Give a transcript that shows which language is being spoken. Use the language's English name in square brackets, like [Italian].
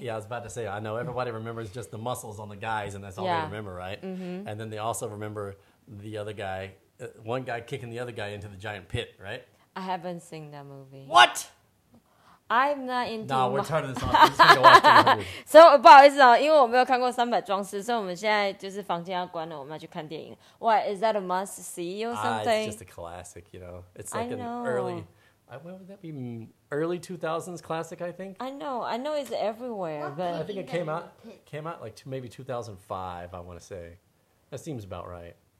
[English] Yeah, I was about to say. I know everybody remembers just the muscles on the guys, and that's all、 yeah. they remember, right?、 Mm-hmm. And then they also remember the other guy, one guy kicking the other guy into the giant pit, right? I haven't seen that movie. What? I'm not into. No, we're turning this off. [Chinese] So 不好意思啊，因为我没有看过三百壮士，所以我们现在就是房间要关了，我们要去看电影。 [English] What is that a must see or something? It's just a classic, you know. It's like an early. When would that be? Early 2000s classic, I think. I know it's everywhere, but I think it came out like maybe 2005. I want to say, that seems about right.